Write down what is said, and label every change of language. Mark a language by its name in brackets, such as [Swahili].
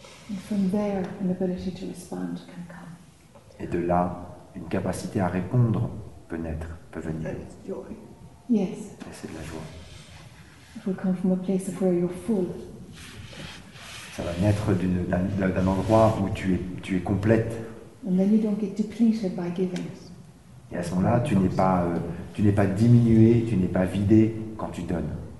[English] And from there, an ability to respond can come. [French] Et de là, une capacité à répondre peut venir. [English] That's joy. Yes. [French] Et c'est de la joie. [English] It will come from a place of where you're full. [French] Ça va naître d'un endroit où tu es complète. [English] And then you don't get depleted by giving. [French] Et à ce moment-là, tu n'es pas diminué, tu n'es pas vidé quand tu donnes.